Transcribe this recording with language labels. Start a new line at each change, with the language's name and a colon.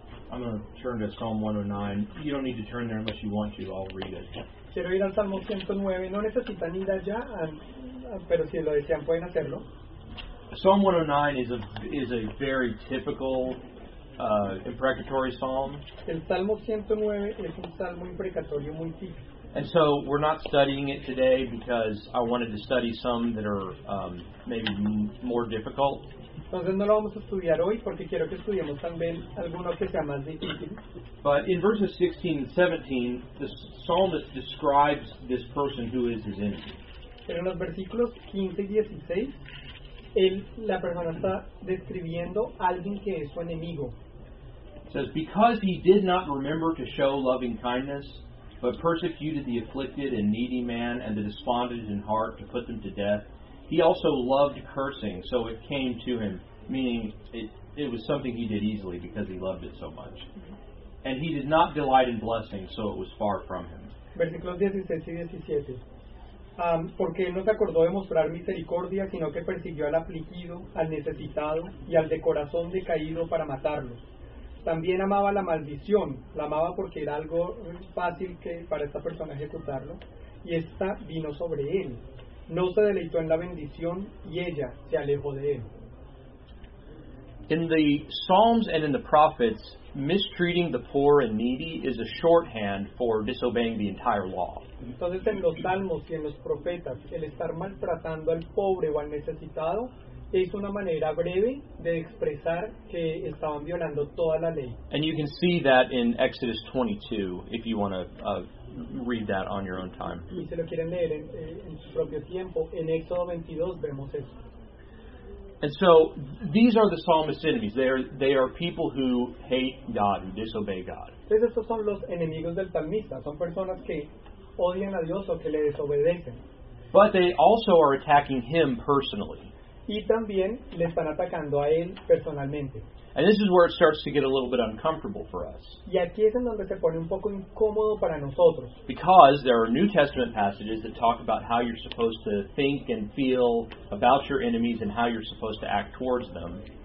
English: I'm going to turn to Psalm 109. You don't need to turn there unless you want to. I'll read it.
Spanish: Quiero ir al Salmo 109. No necesitan ir allá, pero si lo desean pueden hacerlo.
English: Psalm 109 is a very typical imprecatory psalm.
Spanish: El Salmo 109 es un salmo imprecatorio muy típico.
English: And so we're not studying it today because I wanted to study some that are maybe more difficult.
Spanish: Entonces no lo vamos a estudiar hoy porque quiero que estudiemos también alguno que sea más difícil.
English: But in verses 16 and 17, the psalmist describes this person who is his enemy.
Spanish: Pero en los versículos 15 y 16, la persona está describiendo a alguien que es su enemigo.
English: It says, because he did not remember to show loving kindness, but persecuted the afflicted and needy man and the despondent in heart to put them to death. He also loved cursing, so it came to him, meaning it was something he did easily because he loved it so much. And he did not delight in blessing, so it was far from him.
Spanish: Versículos 16 y 17. Porque no se acordó de mostrar misericordia, sino que persiguió al afligido, al necesitado y al de corazón decaído para matarlo. También amaba la maldición, la amaba porque era algo fácil que para esta persona ejecutarlo, y esta vino sobre él. No se deleitó en la bendición y ella se alejó de él.
English: In the Psalms and in the prophets, mistreating the poor and needy is a shorthand for disobeying the entire law.
Spanish: Entonces en los Salmos y en los profetas, el estar maltratando al pobre o al necesitado es una manera breve de expresar que estaban violando toda la ley.
English: And you can see that in Exodus 22 if you want to read that on your own time.
Spanish: Y si lo quieren leer en su propio tiempo, en Éxodo 22 vemos eso.
English: And so these are the psalmist's enemies. They are people who hate God and disobey God.
Spanish: Entonces estos son los enemigos del salmista. Son personas que odian a Dios o que le desobedecen.
English: But they also are attacking him personally.
Spanish: Y también le están atacando a él personalmente.
English: And this is where it starts to get a little bit uncomfortable for us.
Spanish: Y aquí es en donde se pone un poco incómodo para nosotros.
English: Because there are New Testament passages that talk about how you're supposed to think and feel about your enemies and how you're supposed to act towards them.